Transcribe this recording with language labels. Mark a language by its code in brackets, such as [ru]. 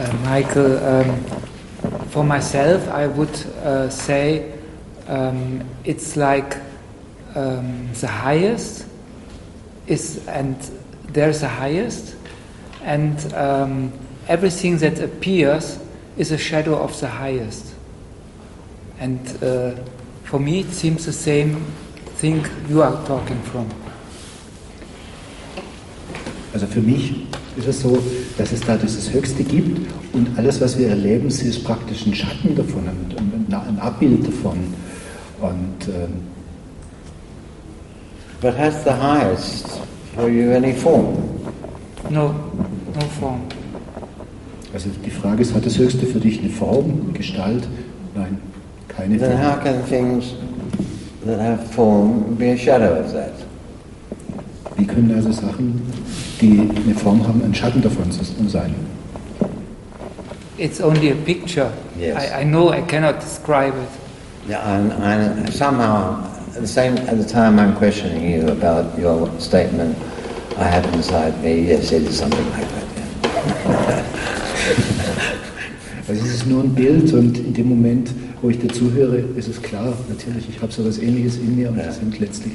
[en] Michael, for myself, I would say it's like the highest is, and there's the highest, and everything that appears is a shadow of the highest. And for me, it seems the same thing you are talking from. [de] Also für mich ist es so, dass es da dieses Höchste gibt und alles, was wir erleben, ist praktisch ein Schatten davon, ein Abbild davon. Und, [en] but has the highest for you any form? No, no form. [de] Also die Frage ist, hat das Höchste für dich eine Form, eine Gestalt? Nein, keine Form. [en] Then how can things that have form be a shadow of that? [de] Wie können also Sachen, die eine Form haben, ein Schatten davon sein? [en] It's only a picture. Yes. I know I cannot describe it. Yeah, I'm somehow, at the time I'm questioning you about your statement, I have inside me, yes, it is something like that. Yeah. [de] Also es ist nur ein Bild und in dem Moment, wo ich dazu höre, ist es klar, natürlich, ich habe so etwas Ähnliches in mir und sind letztlich...